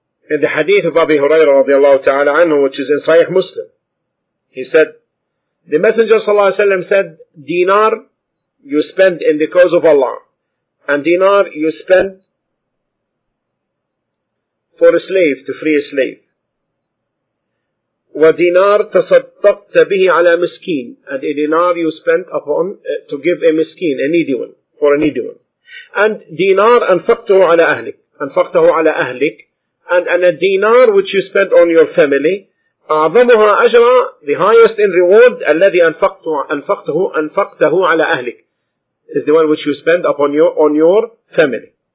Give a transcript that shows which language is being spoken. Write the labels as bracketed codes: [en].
[en] In the hadith of Abi Hurairah radiallahu ta'ala anhu, which is in Sahih Muslim, he said, the Messenger sallallahu alayhi wa sallam said, dinar you spend in the cause of Allah, and dinar you spend for a slave, to free a slave. [ar] وَدِنَارْ تَصَدَّقْتَ بِهِ عَلَى مِسْكِينَ. [en] And a dinar you spent upon to give a miskeen, a needy one, for a needy one. And dinar [ar] أَنْفَقْتَهُ عَلَى أَهْلِكَ. أَنْفَقْتَهُ عَلَى أَهْلِكَ. [en] And a dinar which you spent on your family, [ar] أَعْظَمُهَا أَجْرًا, [en] the highest in reward, [ar] الَّذِي أَنْفَقْتَهُ عَلَى أَهْلِكَ, [en] is the one which you spend upon your family.